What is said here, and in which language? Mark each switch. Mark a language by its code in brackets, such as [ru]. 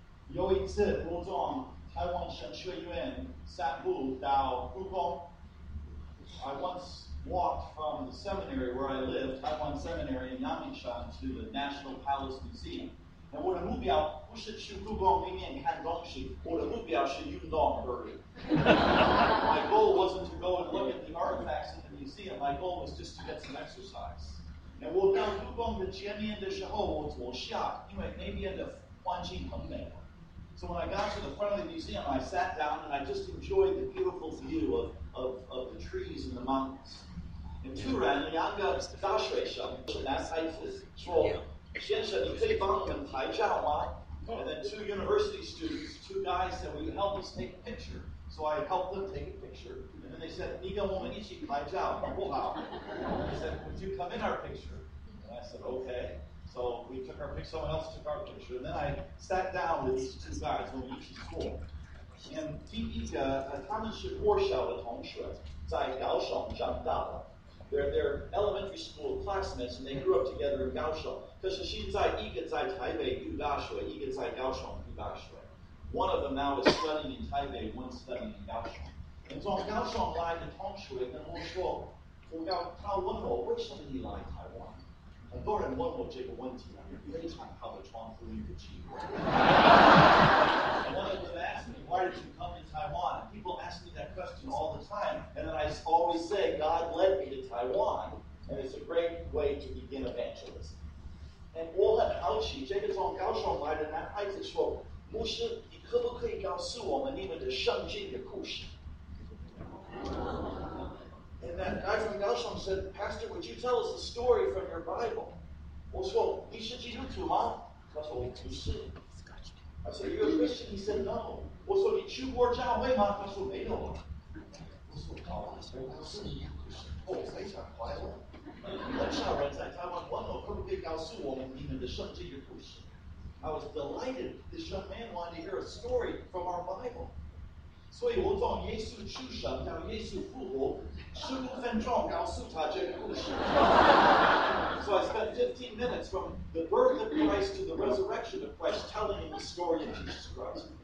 [zh] 有一次，我从台湾神学院散步到故宫。 [en] I once. Walked from the seminary where I live, Taiwan Seminary in Yangmingshan, to the National Palace Museum. [zh] And 我的目标不是去故宫里面看东西，我的目标是运动而已。 [en] My goal wasn't to go and look at the artifacts in the museum. My goal was just to get some exercise. [zh] And 我到故宫的前面的时候，我坐下，因为那边的环境很美。 [en] So when I got to the front of the museum, I sat down and I just enjoyed the beautiful view of the trees and the mountains. [zh] And 突然两个大学生是男孩子说，先生，你可以帮我们拍照吗？ [en] And then two university students, two guys said, will you help us take a picture? So I helped them take a picture. And then they said, [zh] 你跟我们一起拍照好不好？ [en] They said, would you come in our picture? And I said, okay. So we took our picture, someone else took our picture, and then I sat down with these two guys when we each school. [zh] And 第一个，他们是国小的同学，在高雄长大的。 [en] They're elementary school classmates, and they grew up together in 高雄。 [zh] 可是现在一个在台北读大学，一个在高雄读大学。 [en] One of them now is studying in 台北, one studying in 高雄。 [zh] And 从高雄来的同学跟我说，我要他问我为什么你来台湾。很多人问我这个问题啊，非常好的创富的机会。 [en] One of them asked me, "Why did you come to Taiwan?" People ask me that question all the time, and then I always say, "God led me to Taiwan," and it's a great way to begin evangelism. [zh] And 我很好奇，这个从高雄来的男孩子说，牧师，你可不可以告诉我们你们的圣经的故事？ [en] And that guy from Gaoshan said, Pastor, would you tell us a story from your Bible? [zh] 我说你是基督徒吗？他说不是。 [en] I said, you're a Christian? He said, no. [zh] 我说你去过教会吗？他说没有。我说好啊，我告诉你一个故事。哦，非常快乐。很少人在台湾问我可不可以告诉我们你们的圣经的故事。 [en] I was delighted this young man wanted to hear a story from our Bible. [zh] 所以我从耶稣出生到耶稣复活，15分钟告诉他这个故事。 [en] So I spent 15 minutes from the birth of Christ to the resurrection of Christ, telling him the story of Jesus Christ.